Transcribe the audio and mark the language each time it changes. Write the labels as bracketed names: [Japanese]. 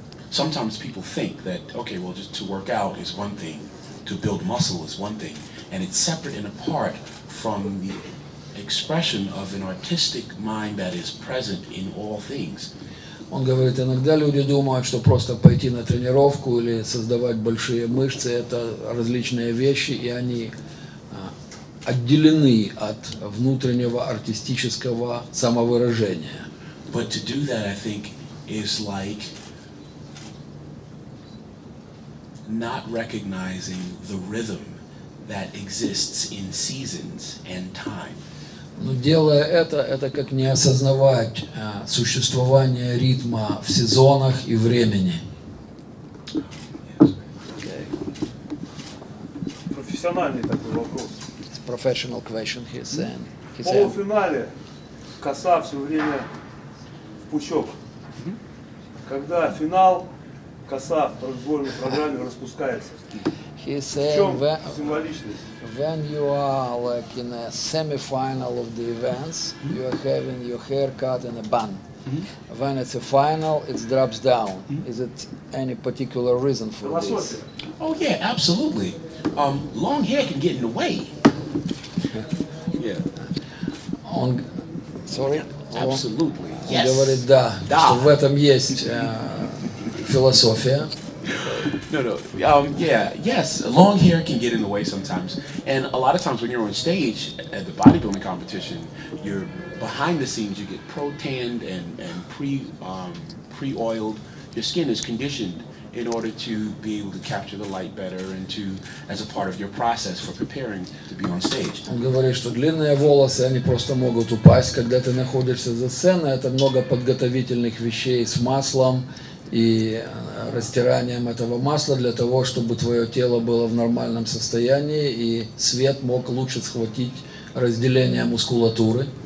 [English] Sometimes people think that, okay, well, just to work out is one thing, to build muscle is one thing, and it's separate and apart from the expression of an artistic mind that is present in all things. [Russian] Он говорит, иногда люди думают, что просто пойти на тренировку или создавать большие мышцы – это различные вещи, и они отделены от внутреннего артистического самовыражения. [English] But to do that, I think, is like not recognizing the rhythm that exists in seasons and time. [Russian] Но делая это как не осознавать существование ритма в сезонах и времени. профессиональный такой вопрос. [English] It's a professional question, he's saying. [Russian] В полуфинале коса все время в пучок. Когда финал, коса в произвольной программе распускается. [English] He's saying when you are like in a semi-final of the events, you are having your hair cut in a bun. Mm-hmm. When it's a final, it drops down. Mm-hmm. Is it any particular reason for this? Oh yeah, absolutely. Long hair can get in the way. Yeah. Absolutely. [Russian] Он [English] yes. [Russian] Говорит да, да. Что в этом есть философия. [English] Yes, long hair can get in the way sometimes. And a lot of times when you're on stage at the bodybuilding competition, you're behind the scenes, you get pro-tanned and pre-oiled. Your skin is conditioned in order to be able to capture the light better and to, as a part of your process for preparing to be on stage. [Russian] Он говорит, что длинные волосы, они просто могут упасть, когда ты находишься за сценой. Это много подготовительных вещей с маслом и растиранием этого масла для того, чтобы твое тело было в нормальном состоянии и свет мог лучше схватить разделение мускулатуры.